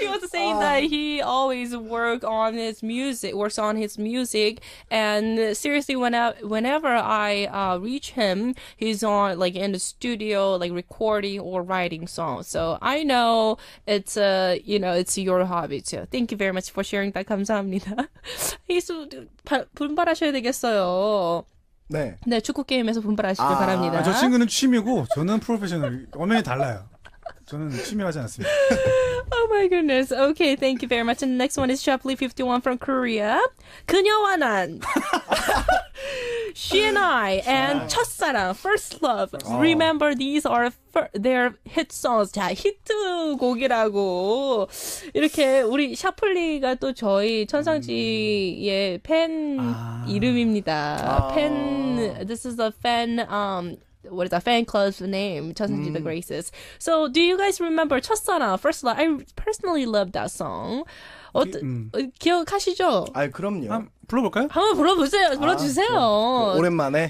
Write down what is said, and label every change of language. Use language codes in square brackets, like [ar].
[en] Saying that he always work on his music, works on his music, and seriously, whenever I reach him, he's on like in the studio, like recording or writing songs. So I know it's you know it's your hobby too. Thank you very much for sharing that. [ko] 감사합니다. 예수 분발하셔야 되겠어요. 네. 네 축구 게임에서 분발하시길 아, 바랍니다. 아, 저 친구는 취미고 저는 프로페셔널. 엄연히 달라요. 저는 취미하지 않습니다. [en] Oh my goodness. Okay, thank you very much. And the next one is Chaplin 51 from Korea. 그녀와 난. She and I and 첫사랑, First Love. Remember, these are their hit songs. [ko] 자, 히트곡이라고. 이렇게 우리 샤플리가 또 저희 천상지의 팬 이름입니다. 아. [en] 팬, this is a fan, what is that fan club's name? 천상지 the Graces. So, do you guys remember 첫사랑, First Love? I personally love that song. [ko] 기억하시죠? 아, 그럼요. 불러볼까요? 한번 불러보세요. 불러주세요. 아, 오랜만에.